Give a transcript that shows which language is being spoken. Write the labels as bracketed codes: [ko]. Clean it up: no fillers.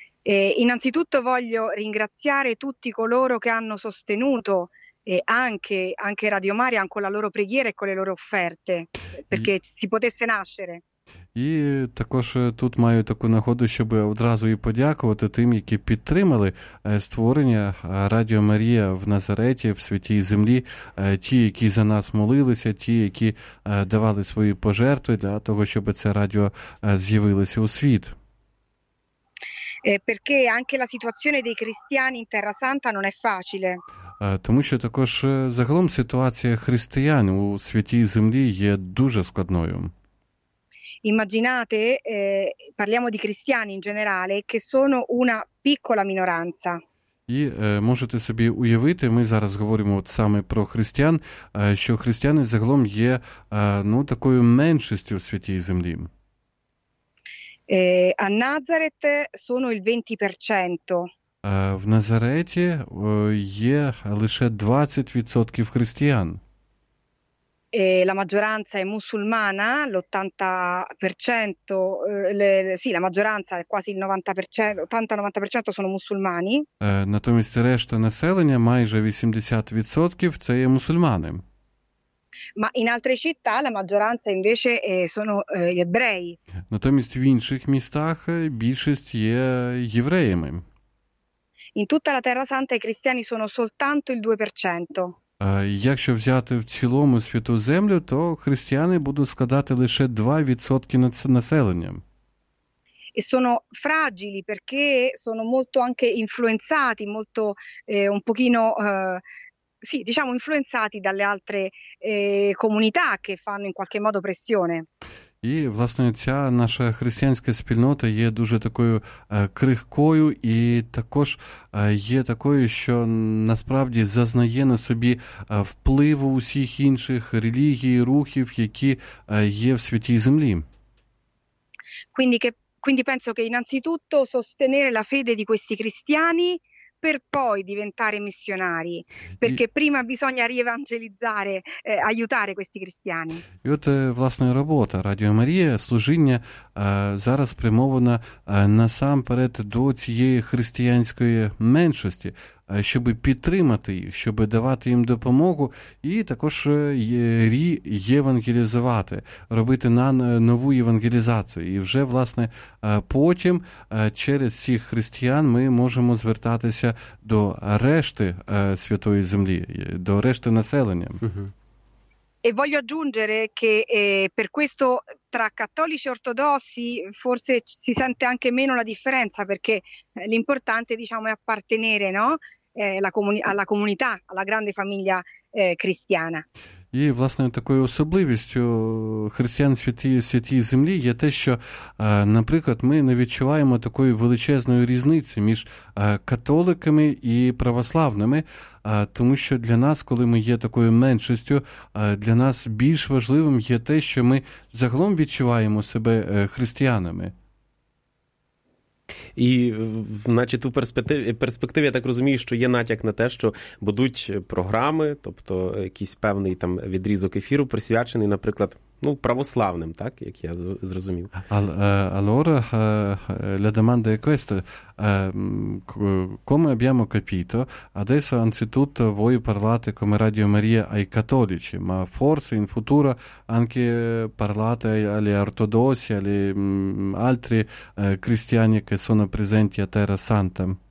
[it] E innanzitutto voglio ringraziare tutti coloro che hanno sostenuto anche Radio Maria con la loro preghiera e con le loro offerte, perché si potesse nascere. [uk] І також тут маю таку нагоду, щоб одразу і подякувати тим, які підтримали створення Радіо Марія в Назареті, в Святій Землі, ті, які за нас молилися, ті, які давали свої пожертви для того, щоб це радіо з'явилося у світ. [it] Perché anche la situazione dei cristiani in Terra Santa non è facile. [uk] Тому що також загалом ситуація християн у Святій Землі є дуже складною. [it] Immaginate, parliamo di cristiani in generale, che sono una piccola minoranza. [uk] І можете собі уявити, ми зараз говоримо от саме про християн, що християни загалом є ну, такою меншістю у Святій Землі. [it] A Nazareth sono il 20%. [uk] В Назареті є лише 20% християн. [it] La maggioranza è musulmana, l'80%, sì, la maggioranza è quasi il 90%, 80-90% sono musulmani. [uk] Натомість решта населення, майже 80%, це є мусульмани. [it] Ma in altre città la maggioranza invece sono gli ebrei. [uk] Натомість в інших містах більшість є євреями. [it] In tutta la Terra Santa i cristiani sono soltanto il 2%. [uk] Якщо взяти в цілому святу землю, то християни будуть складати лише 2% населення. [it] E sono fragili perché sono molto anche influenzati, molto un pochino sì, diciamo influenzati dalle altre comunità che fanno in qualche modo pressione. [uk] І, власне, ця наша християнська спільнота є дуже такою крихкою і також є такою, що насправді зазнає на собі впливу усіх інших релігій, рухів, які є в Святій Землі. [it] Quindi penso che innanzitutto sostenere la fede di questi cristiani per poi diventare missionari, perché prima bisogna rievangelizzare, aiutare questi cristiani. [uk] І от, власне, робота Радіо Марія, служіння, зараз спрямована насамперед до цієї християнської меншості, щоб підтримати їх, щоб давати їм допомогу і також євангелізувати, робити нову євангелізацію. І вже, власне, потім через цих християн ми можемо звертатися до решти Святої Землі, до решти населення. [it] E voglio aggiungere che per questo tra cattolici e ortodossi forse si sente anche meno la differenza, perché l'importante, diciamo, è appartenere, no? Alla comunità, alla grande famiglia cristiana. [uk] І, власне, такою особливістю християн Святій Землі є те, що, наприклад, ми не відчуваємо такої величезної різниці між католиками і православними, тому що для нас, коли ми є такою меншістю, для нас більш важливим є те, що ми загалом відчуваємо себе християнами. І, значить, у перспективі, я так розумію, що є натяк на те, що будуть програми, тобто якийсь певний там відрізок ефіру, присвячений, наприклад, ну, православним, так, як я зрозумів. [it] Allora, la domanda è questa. Come abbiamo capito, adesso anzitutto voi parlate come Radio Maria ai cattolici, ma forse in futuro anche parlate agli ortodossi, agli altri cristiani che sono presenti a Terra Santa.